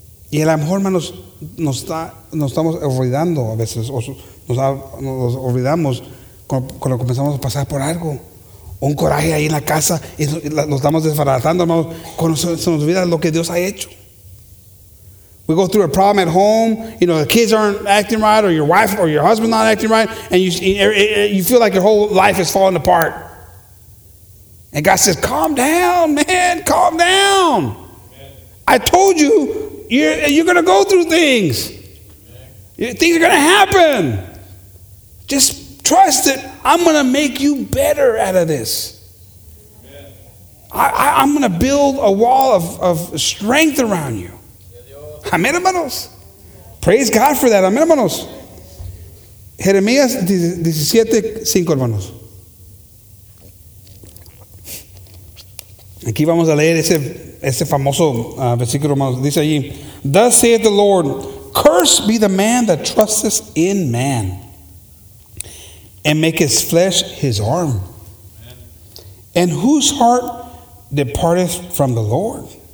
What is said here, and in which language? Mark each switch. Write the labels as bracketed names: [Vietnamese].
[Spanish] Y a lo mejor, hermanos, nos estamos olvidando a veces. Nos olvidamos cuando comenzamos a pasar por algo. Un coraje ahí en la casa. Y nos estamos desbaratando, hermanos. Cuando se nos olvida lo que Dios ha hecho. [English] We go through a problem at home, you know, the kids aren't acting right, or your wife or your husband not acting right, and you feel like your whole life is falling apart. And God says, calm down, man, calm down. I told you, you're going to go through things. Things are going to happen. Just trust that I'm going to make you better out of this. I'm going to build a wall of strength around you. [Spanish] Amén, hermanos. [English] Praise God for that. [Spanish] Amén, hermanos. Jeremías 17:5, hermanos. Aquí vamos a leer ese famoso versículo, hermanos. Dice allí, [English] thus saith the Lord, cursed be the man that trusteth in man, and make his flesh his arm, and whose heart departeth from the Lord.